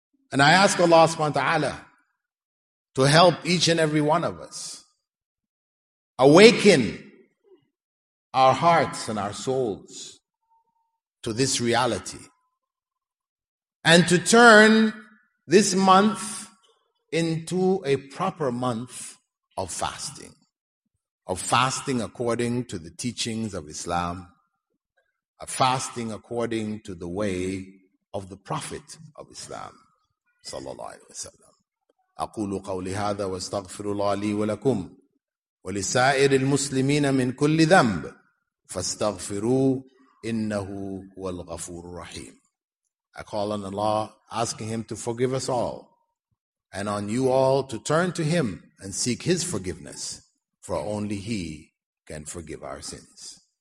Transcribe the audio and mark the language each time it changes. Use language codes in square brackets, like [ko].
[en] And I ask Allah subhanahu wa ta'ala to help each and every one of us awaken our hearts and our souls to this reality and to turn this month into a proper month of fasting. Of fasting according to the teachings of Islam. Of fasting according to the way of the Prophet of Islam. Sallallahu alayhi wa sallam. [ar] أقول قولي هذا واستغفر الله لي ولكم ولسائر المسلمين من كل ذنب فاستغفروه إنه هو الغفور الرحيم. [en] I call on Allah, asking Him to forgive us all. And on you all to turn to Him and seek His forgiveness, for only He can forgive our sins.